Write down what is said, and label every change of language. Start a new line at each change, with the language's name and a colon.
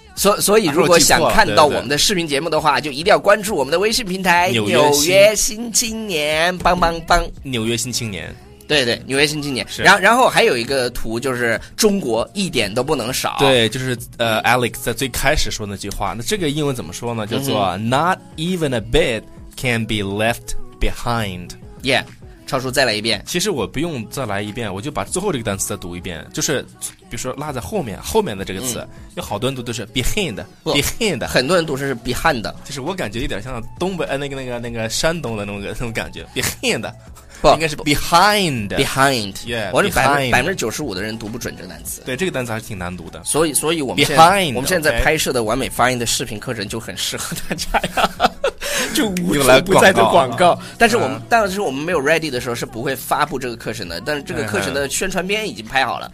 Chinese: 所以如果想看到我们的视频节目的话，就一定要关注我们的微信平台纽约新青年，帮帮帮，纽约新青年，对对，纽约新青年。然后还有一个图，就是中国一点都不能少。对，就是Alex 在最开始说那句话。那这个英文怎么说呢？叫做、
English: Not even a bit can be left behind. Yeah.
Chinese: 超叔再来一遍，其实我不用再来一遍，我就把最后这个单词再读一遍，就是比如说落在后面的这个词、有好多人读都是 behind，很多人读是 behind，就是我感觉有点像东北那个山东的那种感觉 behind，不应该是 behind， yeah，我是95%的人读不准这个单词，对，这个单词还是挺难读的，所以我们
English: behind，
Chinese: 我们现在在拍摄的完美发音的视频课程就很适合大家呀。就无处不在的广告，但是我们当时我们没有 ready 的时候是不会发布这个课程的，但是这个课程的宣传片已经拍好了，